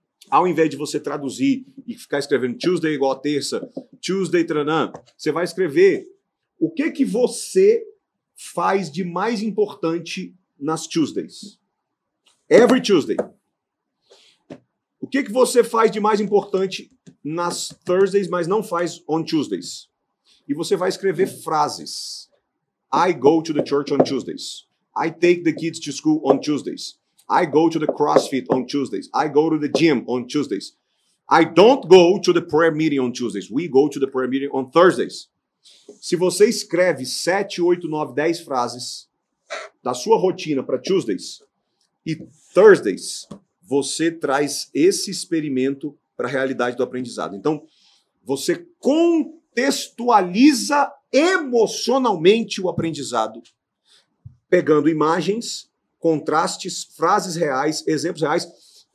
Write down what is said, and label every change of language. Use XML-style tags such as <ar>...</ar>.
<pt>Ao invés de você traduzir e ficar escrevendo Tuesday igual a terça, Tuesday, tranã, você vai escrever o que que você faz de mais importante nas Tuesdays.</pt> <en>Every Tuesday.</en> <pt>O que que você faz de mais importante nas Thursdays, mas não faz</pt> <en>on Tuesdays?</en> <pt>E você vai escrever frases.</pt> <en>I go to the church on Tuesdays. I take the kids to school on Tuesdays. I go to the CrossFit on Tuesdays. I go to the gym on Tuesdays. I don't go to the prayer meeting on Tuesdays. We go to the prayer meeting on Thursdays.</en> <pt>Se você escreve 7, 8, 9, 10 frases da sua rotina para Tuesdays e Thursdays, você traz esse experimento para a realidade do aprendizado. Então, você contextualiza emocionalmente o aprendizado, pegando imagens, contrastes, frases reais, exemplos reais.</pt>